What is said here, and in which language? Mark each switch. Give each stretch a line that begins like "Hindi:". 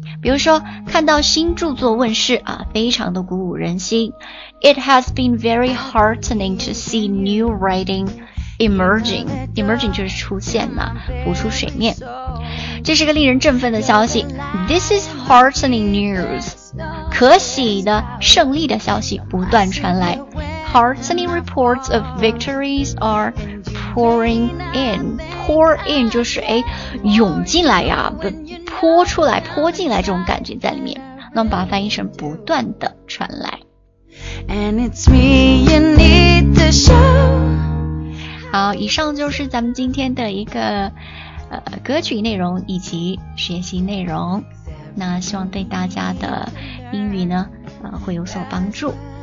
Chinese: 比如说，看到新著作问世啊，非常的鼓舞人心。
English: It has been very heartening to see new writing.
Chinese: Emerging 就是出现了，浮出水面。这是个令人振奋的消息。
English: This is heartening news.
Chinese: 可喜的胜利的消息不断传来。
English: Heartening reports of victories are pouring in.
Chinese: Pour in 就是涌进来呀、啊，泼出来、泼进来这种感觉在里面。那我们把它翻译成不断的传来。
English: And it's me you need to show.
Chinese: 好，以上就是咱们今天的一个歌曲内容以及学习内容，那希望对大家的英语呢会有所帮助。